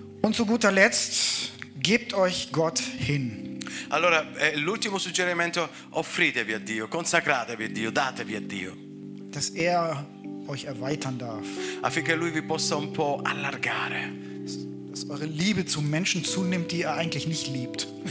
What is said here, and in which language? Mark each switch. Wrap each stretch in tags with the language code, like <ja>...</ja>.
<de>Und zu guter Letzt, gebt euch Gott hin.</de> <it>Allora, l'ultimo suggerimento, offritevi a Dio, consacratevi a Dio, datevi a Dio.</it> <de>Dass er euch erweitern darf.</de> <it>Affinché lui vi possa un po' allargare.</it> <de>Dass eure Liebe zu Menschen zunimmt, die er eigentlich nicht liebt.</de>